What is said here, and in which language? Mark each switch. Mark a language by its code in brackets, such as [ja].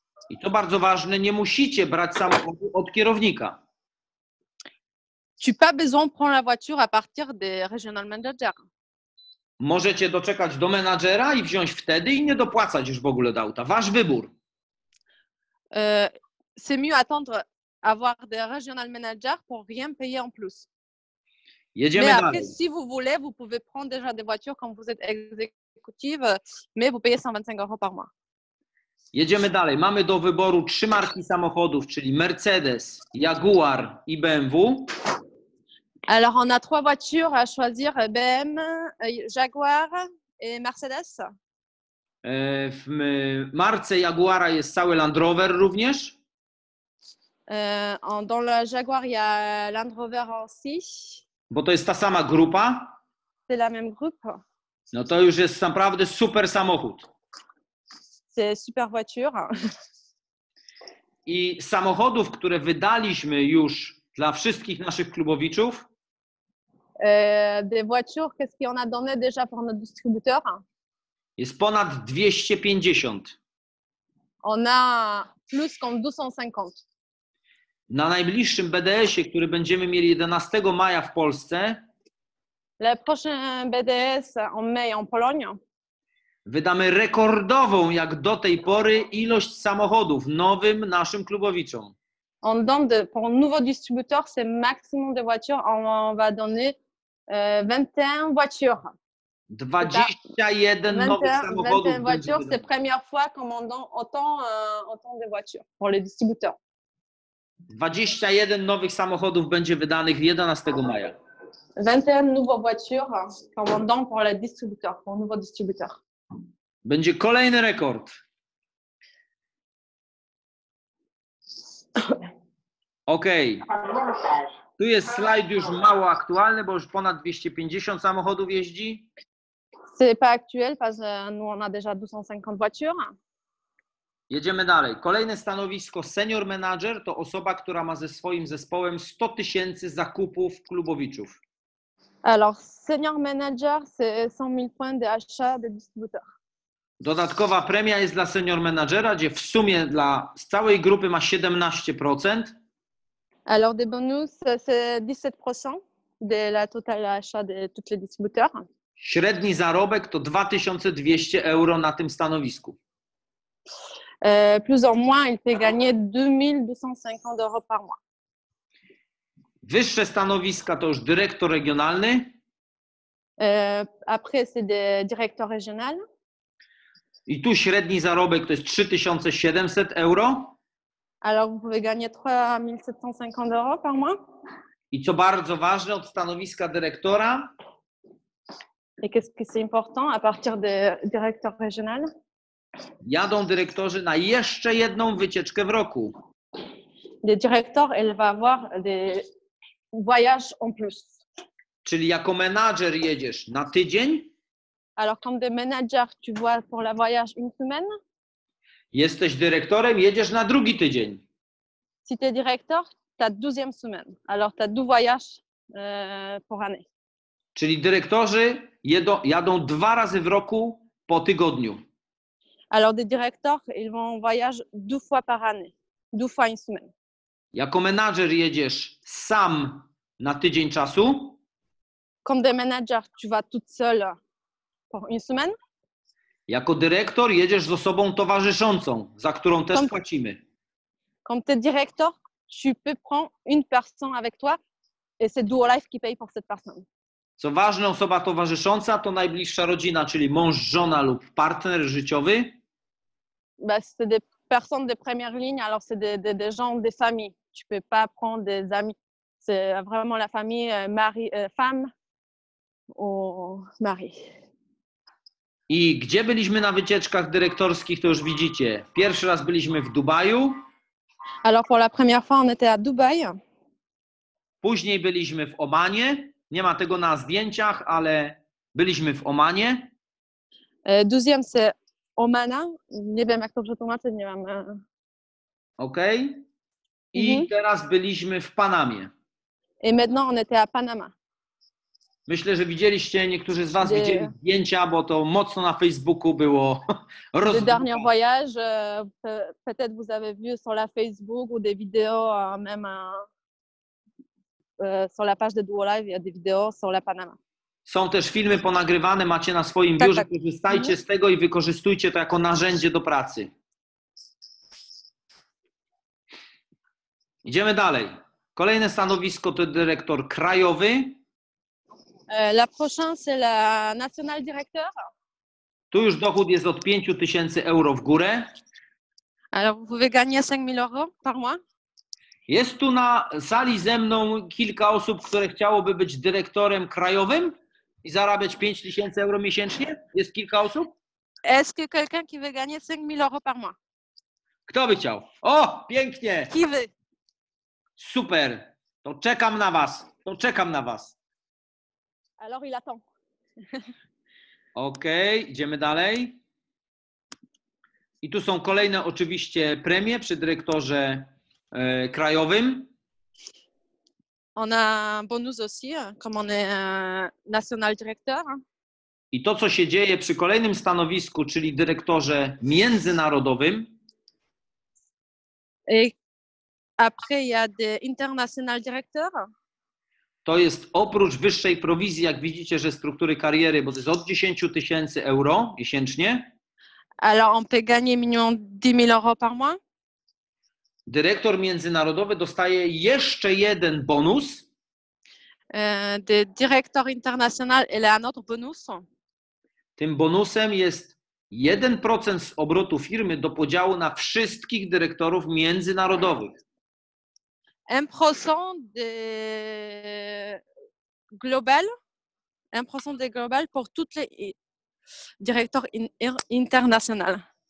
[pl] I to bardzo ważne, nie musicie brać samochodu od kierownika. [fr] Tu n'as pas besoin de prendre la voiture à partir des regional manager. [pl] Możecie doczekać do menadżera i wziąć wtedy i nie dopłacać już w ogóle do auta. Wasz wybór. [fr] C'est mieux attendre avoir des regional manager pour rien payer en plus. [pl] Jedziemy [fr] mais [pl] dalej. [fr] Après, si vous voulez, vous pouvez prendre déjà des voitures quand vous êtes exécutive, mais vous payez 125 euros par mois. [pl] Jedziemy dalej. Mamy do wyboru trzy marki samochodów, czyli Mercedes, Jaguar i BMW. [fr] Alors, on a trois voitures à choisir, BMW, Jaguar et Mercedes. [pl] W marce Jaguara jest cały Land Rover również. [fr] Dans le Jaguar, il y a Land Rover aussi. [pl] Bo to jest ta sama grupa. [fr] C'est la même groupe. [pl] No to już jest naprawdę super samochód. [fr] C'est super voiture. [pl] I samochodów, które wydaliśmy już dla wszystkich naszych klubowiczów. [fr] Des voitures, qu'est-ce qu'on a donné déjà pour notre distributeur? [pl] Jest ponad 250. [fr] On a plus qu'en 250. [pl] Na najbliższym BDS-ie, który będziemy mieli 11 maja w Polsce. [fr] Le prochain BDS en mai en Pologne. [pl] Wydamy rekordową, jak do tej pory, ilość samochodów nowym naszym klubowiczom. [fr] On donne pour nouveau distributeur, c'est maximum de voitures, on va donner 21 voitures. [pl] 21 nowych samochodów. [fr] 21 voitures, c'est première fois qu'on en donne autant de voitures pour les distributeurs. [pl] 21 nowych samochodów będzie wydanych 11 maja. [fr] 21 nouveaux voitures commandant pour les distributeurs, pour nouveaux distributeurs. [pl] Będzie kolejny rekord. Okej. Okay. Tu jest slajd już mało aktualny, bo już ponad 250 samochodów jeździ. [fr] C'est pas actuel parce que nous on a déjà 250 voitures. [pl] Jedziemy dalej. Kolejne stanowisko senior manager to osoba, która ma ze swoim zespołem 100 tysięcy zakupów klubowiczów. [fr] Alors, senior manager c'est 100 000 points d'achat de distributeur. [pl] Dodatkowa premia jest dla senior managera, gdzie w sumie dla całej grupy ma 17%. [fr] Alors, des bonus c'est 17% de la totale achat de toutes les distributeurs. [pl] Średni zarobek to 2200 euro na tym stanowisku. [fr] Plus ou moins, il fait gagner 2250 euros par mois. [pl] Wyższe stanowiska to już dyrektor regionalny. [fr] Après, c'est directeur régional. [pl] I tu średni zarobek to jest 3700 euro. [fr] Alors, vous pouvez gagner 3750 euros par mois. [pl] I co bardzo ważne, od stanowiska dyrektora. [fr] Et qu'est-ce que c'est important à partir de directeur régional? [pl] Jadą dyrektorzy na jeszcze jedną wycieczkę w roku. [fr] Le directeur, il va avoir des voyages en plus. [pl] Czyli jako menadżer jedziesz na tydzień. [fr] Alors, comme des managers, tu vois pour la voyage une semaine. [pl] Jesteś dyrektorem, jedziesz na drugi tydzień. [fr] Si tu es directeur, tu as 12e semaine. Alors, tu as deux voyages pour année. [pl] Czyli dyrektorzy jadą dwa razy w roku po tygodniu. [fr] Alors des directeurs, ils vont en voyage deux fois par année, deux fois une semaine. [pl] Jako menadżer jedziesz sam na tydzień czasu? [fr] Comme des managers, tu vas toute seule pour une semaine? [pl] Jako dyrektor jedziesz z osobą towarzyszącą, za którą też płacimy. [fr] Comme tes directeurs, tu peux prendre une personne avec toi et c'est Duo Life qui paye pour cette personne. [pl] Co ważne, osoba towarzysząca to najbliższa rodzina, czyli mąż, żona lub partner życiowy. [fr] Bah, c'est des personnes de première ligne, alors c'est des gens, des familles. Tu peux pas prendre des amis. C'est vraiment la famille, mari, femme ou mari. [pl] I gdzie byliśmy na wycieczkach dyrektorskich, to już widzicie. Pierwszy raz byliśmy w Dubaju. [fr] Alors pour la première fois, on était à Dubaï. [pl] Później byliśmy w Omanie. Nie ma tego na zdjęciach, ale byliśmy w Omanie. [fr] Deuxième, c'est Omana. [pl] Nie wiem, jak to przetłumaczyć, nie mam. Okej. Okay. I teraz byliśmy w Panamie. [fr] Et maintenant, on était à Panama. [pl] Myślę, że widzieliście, niektórzy z was widzieli zdjęcia, bo to mocno na Facebooku było rozdrukowane. [fr] Le dernier voyage, peut-être vous avez vu sur la Facebook ou des vidéos, même sur la page de Duo Life, il y a des vidéos sur la Panama. [pl] Są też filmy ponagrywane, macie na swoim biurze, korzystajcie z tego i wykorzystujcie to jako narzędzie do pracy. Idziemy dalej. Kolejne stanowisko to dyrektor krajowy. [fr] La prochaine, c'est la national directeur. [pl] Tu już dochód jest od 5000 euro w górę. [fr] Alors, vous pouvez gagner 5000 euros par mois. [pl] Jest tu na sali ze mną kilka osób, które chciałoby być dyrektorem krajowym i zarabiać 5000 euro miesięcznie? Jest kilka osób? [fr] Est-ce que quelqu'un qui veut gagner 5000 euros par mois? [pl] Kto by chciał? O, pięknie! [fr] Qui veut? [pl] Super! To czekam na was! To czekam na was! [fr] Alors il attend. [pl] Ok, idziemy dalej. I tu są kolejne oczywiście premie przy dyrektorze krajowym. [fr] On a bonus aussi, comme on est national directeur. [pl] I to, co się dzieje przy kolejnym stanowisku, czyli dyrektorze międzynarodowym. [fr] Et après il y a des international directeur. [pl] To jest oprócz wyższej prowizji, jak widzicie, że struktury kariery, bo to jest od 10000 euro miesięcznie. [fr] Alors on peut gagner minimum 10000 euros par mois. [pl] Dyrektor międzynarodowy dostaje jeszcze jeden bonus. [fr] Le directeur international il a un autre bonus. [pl] Tym bonusem jest 1% z obrotu firmy do podziału na wszystkich dyrektorów międzynarodowych. [fr] 1% de global, 1% de global pour toutes les directeurs internationaux.